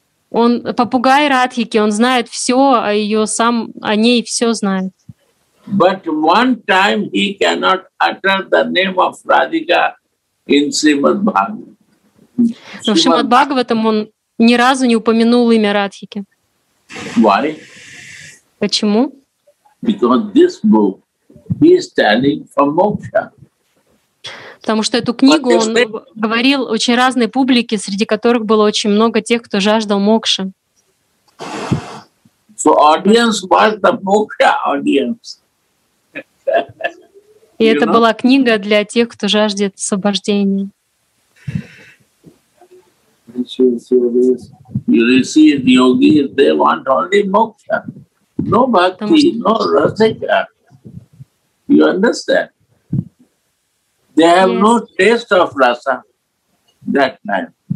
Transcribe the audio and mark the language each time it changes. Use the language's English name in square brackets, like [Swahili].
[Russian] Он попугай Радхики, он знает все о ее сам, о ней все знает. [English] But one time he cannot utter the name of Radhika in Srimad Bhagavatam. [Russian] В Шримад Бхагаватам он ни разу не упомянул имя Радхики. [English] Why? [Russian] Почему? [English] Because this book he is telling for moksha. [Russian] Потому что эту книгу он говорил очень разной публике, среди которых было очень много тех, кто жаждал мокши. [English] So audience was the moksha audience. [Russian] И это была книга для тех, кто жаждет освобождения. [English] You see, the yogis, they want only moksha. No bhakti, no rasika. You understand? They have no taste of rasa that time.